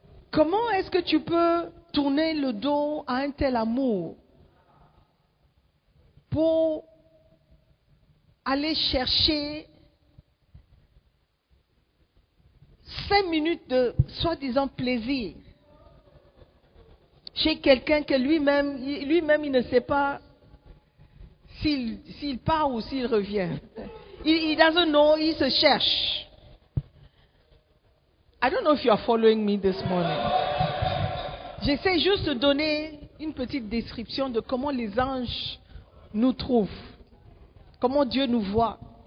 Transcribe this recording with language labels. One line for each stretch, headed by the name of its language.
French: Comment est-ce que tu peux tourner le dos à un tel amour pour aller chercher 5 minutes de soi-disant plaisir chez quelqu'un que lui-même il ne sait pas s'il part ou s'il revient.
English: He doesn't know,
French: il se cherche.
English: I don't know if you are following me this morning.
French: J'essaie juste de donner une petite description de comment les anges nous trouvent, comment Dieu nous voit.